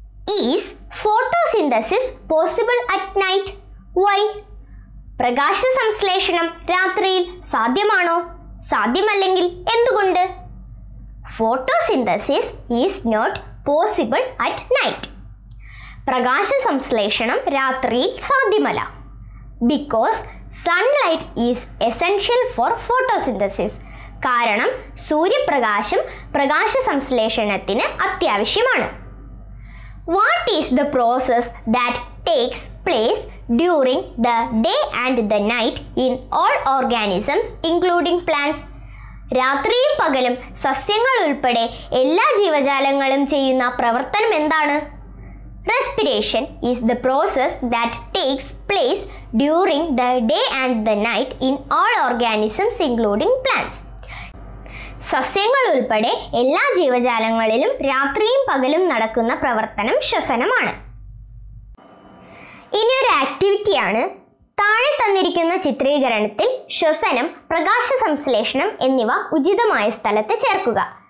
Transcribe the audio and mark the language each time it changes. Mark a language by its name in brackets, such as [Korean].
[English] Is photosynthesis possible at night? Why? [Malayalam] പ്രകാശ സംശ്ലേഷണം രാത്രിയിൽ സാധ്യമാണോ? സാധ്യമല്ലെങ്കിൽ എന്തുകൊണ്ട്? [English] Photosynthesis is not possible at night. [Malayalam] പ്രകാശ സംശ്ലേഷണം രാത്രിയിൽ സാധ്യമല്ല. [English] Because sunlight is essential for photosynthesis. [Malayalam] കാരണം സൂര്യപ്രകാശം പ്രകാശ സംശ്ലേഷണത്തിന് അത്യാവശ്യമാണ്. [English] What is the process that takes place during the day and the night in all organisms including plants? [Malayalam] രാത്രിയും പകലും സസ്യങ്ങൾ ഉൾപ്പെടെ എല്ലാ ജീവജാലങ്ങളും ചെയ്യുന്ന പ്രവർത്തനം എന്താണ്? [English] Respiration is the process that takes place during the day and the night in all organisms including plants. [Malayalam] സസ്യങ്ങൾ ഉൾപ്പെടെ എല്ലാ ജീവജാലങ്ങളിലും രാത്രിയും പകലും നടക്കുന്ന പ്രവർത്തനം ശ്വസനമാണ്. ഇനി ഒരു ആക്ടിവിറ്റിയാണ്. താഴെ തന്നിരിക്കുന്ന ചിത്രീകരണത്തിൽ ശ്വസനം, പ്രകാശ സംശ്ലേഷണം എന്നിവ ഉചിതമായ സ്ഥലത്ത് ചേർക്കുക.